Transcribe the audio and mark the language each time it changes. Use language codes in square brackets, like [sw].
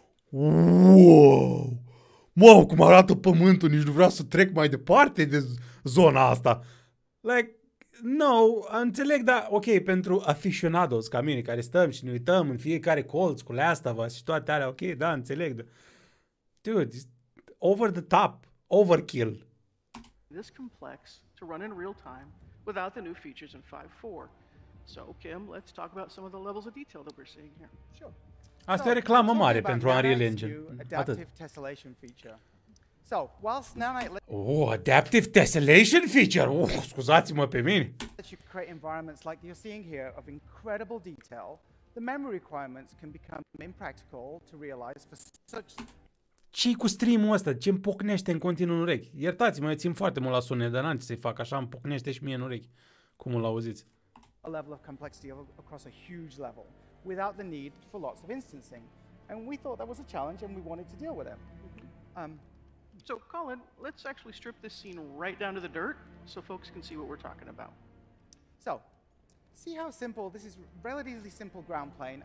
[ro] Wow! Mamă, cum arată pământul, nici nu vreau să trec mai departe de zona asta. [en] Like, no, [ro] înțeleg, dar ok, pentru aficionados ca mine, care stăm și ne uităm în fiecare colț cu leastava și toate alea, ok, da, înțeleg. [en] Dude, over the top, overkill. This complex to run in real time without the new features in 5.4. So, Kim, let's talk about some of the levels of detail that we're seeing here. Sure. [ro] Asta e reclamă mare pentru Unreal Engine. [en] Adaptive tessellation feature. So, whilst nanite lets you... Oh, adaptive tessellation feature. [ro] Oh, scuzați-mă pe mine. [en] ...that you create environments like you're seeing here of incredible detail, the memory requirements can become impractical to realize for such... [ro] Ce-i cu stream-ul ăsta? Ce îmi pocnește în continuu în urechi? Iertați-mă, eu țin foarte mult la sunet, dar n-am ce să-i fac așa, îmi pocnește și mie în urechi. Cum îl auziți? [en] ...a level of complexity across a huge level. Without the need for lots of instancing. And we thought that was a challenge and we wanted to deal with it. So Colin, let's actually strip this scene right down to the dirt so folks can see what we're talking about. So, see how simple, this is relatively simple ground plane.